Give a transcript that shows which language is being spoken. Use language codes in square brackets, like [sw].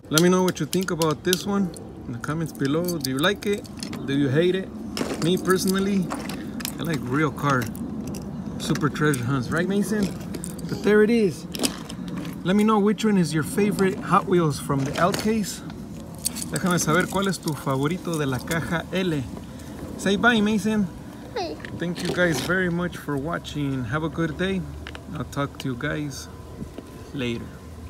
[en] Let me know what you think about this one in the comments below. Do you like it? Do you hate it? Me personally, I like real car super treasure hunts, right, Mason? But there it is. Let me know which one is your favorite Hot Wheels from the L case. [es] Déjame saber cuál es tu favorito de la caja L. [en] Say bye, Mason. Bye. Thank you guys very much for watching. Have a good day. I'll talk to you guys later.